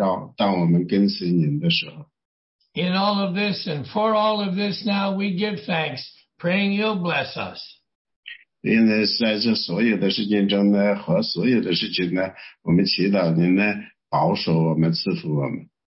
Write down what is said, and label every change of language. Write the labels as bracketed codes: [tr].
[zh] 主啊，求你帮助我们，帮助我们，就是说呢，这活出一个这样的人生，把那个荣誉啊、荣耀啊都给您，也帮助我们呢，就是说，因为您应许了我们，保守我们，不至于在这样的世界上跌倒不失脚，让当我们跟随您的时候。 [en] In all of this and for all of this now, we give thanks, praying you'll bless us. [zh] 因为在这所有的事情中呢，和所有的事情呢，我们祈祷您呢，保守我们，赐福我们。